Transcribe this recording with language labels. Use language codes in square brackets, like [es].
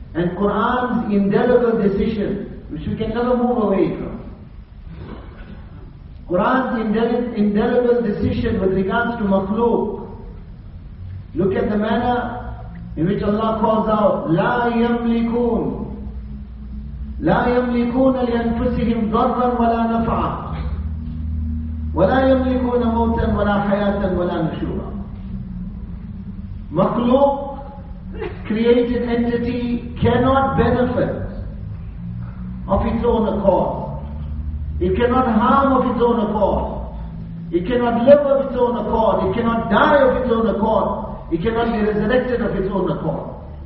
[en] And Quran's indelible decision, which we can never move away from. Quran's indelible decision with regards to makhluq. Look at the manner in which Allah calls out, La yamlikun. [ar] لا يملكون لأنفسهم ضرا ولا نفعا ولا يملكون موتا ولا حياة ولا نشورا. [en] مخلوق, created entity, cannot benefit of its own accord. It cannot harm of its own accord. It cannot live of its own accord. It cannot die of its own accord. It cannot be resurrected of its own accord.